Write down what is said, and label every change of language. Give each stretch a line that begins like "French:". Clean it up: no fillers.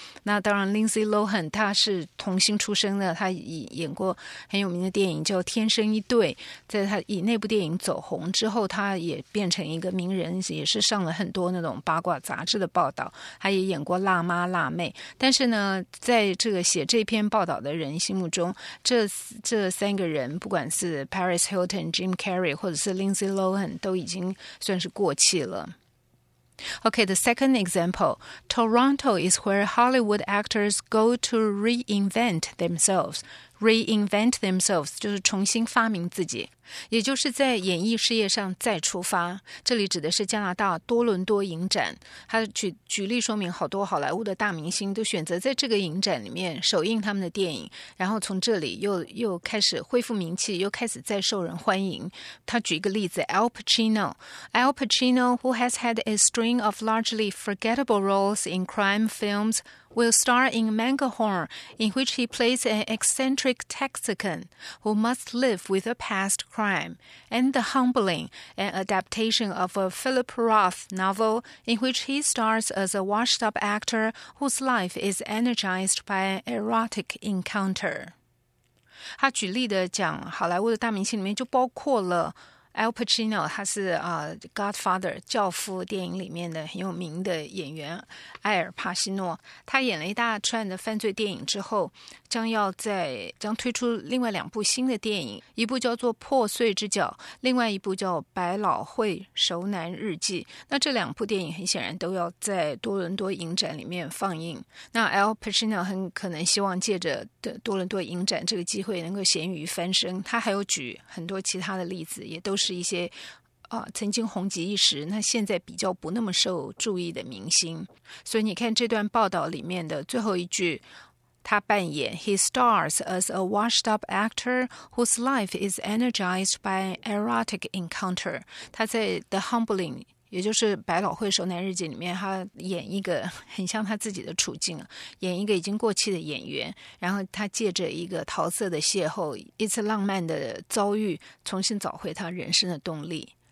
Chinese: 那当然 Lindsay Lohan 他是童星出身的，他演过很有名的电影叫天生一对，在他以那部电影走红之后，他也变成一个名人，也是上了很多那种八卦杂志的报道，他也演过辣妈辣妹。但是呢，在这个写这篇报道的人心目中， 这三个人不管是 Paris Hilton、 Jim Carrey 或者是 Lindsay Lohan 都已经算是过气了。
English: Okay, the second example. Toronto is where Hollywood actors go to reinvent themselves. Reinvent themselves
Chinese: 就是重新发明自己。也就是在演艺事业上再出发，这里指的是加拿大多伦多影展。他 举例说明好多好莱坞的大明星都选择在这个影展里面首映他们的电影，然后从这里 又开始恢复名气，又开始再受人欢迎。他举一个例子，
English: Al Pacino Al Pacino who has had a string of largely forgettable roles in crime filmsWill star in Mangahorn, in which he plays an eccentric Texican who must live with a past crime, and The Humbling, an adaptation of a Philip Roth novel, in which he stars as a washed-up actor whose life is energized by an erotic encounter.
Chinese: 他举例的讲，好莱坞的大明星里面就包括了Al Pacino， 他是Godfather 教父电影里面的很有名的演员埃尔帕西诺。他演了一大串的犯罪电影之后，将推出另外两部新的电影，一部叫做《破碎之角》，另外一部叫《百老汇熟男日记》。那这两部电影很显然都要在多伦多影展里面放映。那 Al Pacino 很可能希望借着多伦多影展这个机会能够咸鱼翻身。他还有举很多其他的例子，也都是一些曾经红极一时，那现在比较不那么受注意的明星。所以你看这段报道里面的最后一句，他扮演
English: He stars as a washed up actor whose life is energized by an erotic encounter.
Chinese: 他在 The Humbling， 也就是百老汇熟男日记里面，他演一个很像他自己的处境，演一个已经过气的演员，然后他借着一个桃色的邂逅，一次浪漫的遭遇，重新找回他人生的动力。